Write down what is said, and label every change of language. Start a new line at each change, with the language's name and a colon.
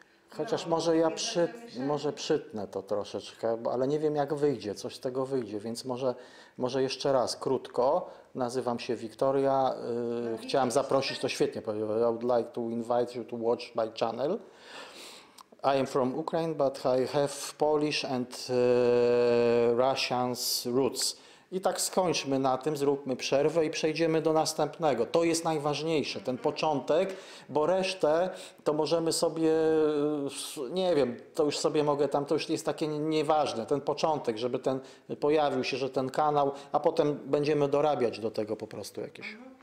Polish: Chociaż no, może ja może przytnę to troszeczkę, ale nie wiem jak wyjdzie, coś z tego wyjdzie, więc może jeszcze raz, krótko, nazywam się Wiktoria, chciałem zaprosić, to świetnie,
English: I would like to invite you to watch my channel. I am from Ukraine, but I have Polish and Russian roots.
Polish: I tak skończmy na tym, zróbmy przerwę i przejdziemy do następnego. To jest najważniejsze, ten początek, bo resztę to możemy sobie, nie wiem, to już sobie mogę tam, to już jest takie nieważne, ten początek, żeby ten pojawił się, że ten kanał, a potem będziemy dorabiać do tego po prostu jakieś.